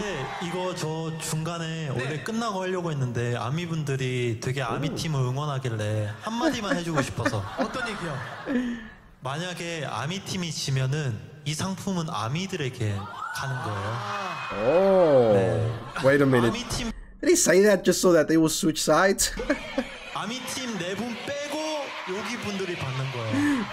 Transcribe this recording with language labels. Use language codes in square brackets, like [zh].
[ko] 근데 이거 저 중간에 원래 네. 끝나고 하려고 했는데 아미 분들이 되게 아미 팀을 응원하길래 한 마디만 해주고 싶어서. 어떤 얘기요? 만약에 아미 팀이 지면은 이 상품은 아미들에게 가는 거예요. [en] Oh, 네. Wait a minute. 아미팀... Did he say that just so that they will switch sides? [ko] 아미팀 네 분 빼고 여기 분들이 받는 거예요.